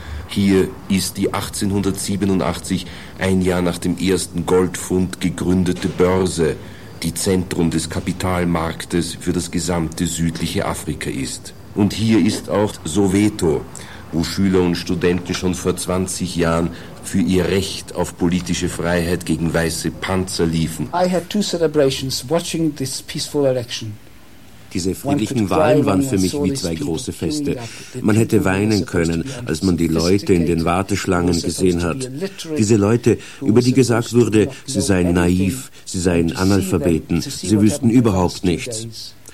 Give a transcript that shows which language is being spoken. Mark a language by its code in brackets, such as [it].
[de] Hier ist die 1887, ein Jahr nach dem ersten Goldfund, gegründete Börse, die Zentrum des Kapitalmarktes für das gesamte südliche Afrika ist. Und hier ist auch Soweto, wo Schüler und Studenten schon vor 20 Jahren für ihr Recht auf politische Freiheit gegen weiße Panzer liefen. [en] I had two celebrations watching this peaceful election. [de] Diese friedlichen Wahlen waren für mich wie zwei große Feste. Man hätte weinen können, als man die Leute in den Warteschlangen gesehen hat. Diese Leute, über die gesagt wurde, sie seien naiv, sie seien Analphabeten, sie wüssten überhaupt nichts.